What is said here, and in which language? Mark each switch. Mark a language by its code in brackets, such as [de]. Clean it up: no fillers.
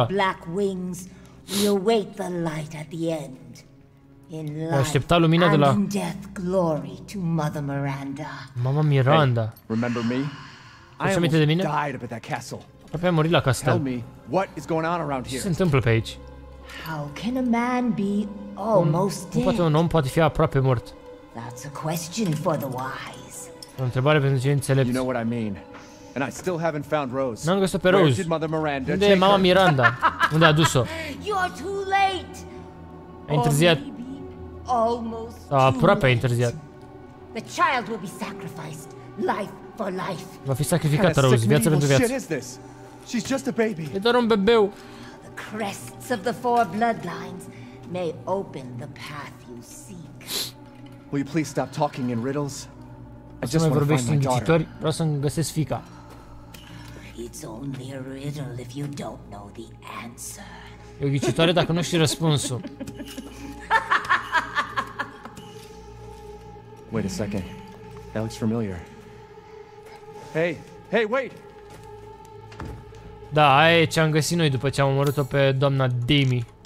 [en] On black wings, we await the light at the end. In life and la... in death, glory to Mother Miranda. Mamma Miranda. Hey, remember me? I almost died up at that castle. [ro] Apoi am murit la castel. [en] Tell me, what is going on around here? [ro] Ce se întâmplă pe aici? [en] How can a man be almost dead? [ro] Cum poate un om poate fi aproape mort? [en] That's a question for the wise. [ro] O întrebare pentru cei înțelepți. [en] You know what I mean. And I still haven't found Rose. [ro] N-am găsit pe Rose. [en] Where did Mother Miranda take her? [ro] Mama Miranda? Unde a dus-o? [en] You're too late. [ro] A întârziat. [en] Almost. [ro] A aproape a întârziat. [en] The child will be sacrificed. Life for life. [ro] Va fi sacrificată Rose, viața pentru viață. [en] She's just a baby. [ro] E doar un bebeu. [en] Crests of the four bloodlines may open the path you seek. Will you please stop talking in riddles? I just want to find my daughter. [ro] Vreau să-mi găsesc fica. [en] It's only a riddle if you don't know the answer. [ro] E o ghicitoare dacă nu știi răspunsul. [en] Wait a second. That looks familiar. Hey, hey, wait! [ro] Da, aia e ce am găsit noi după ce am omorât-o pe doamna Demi.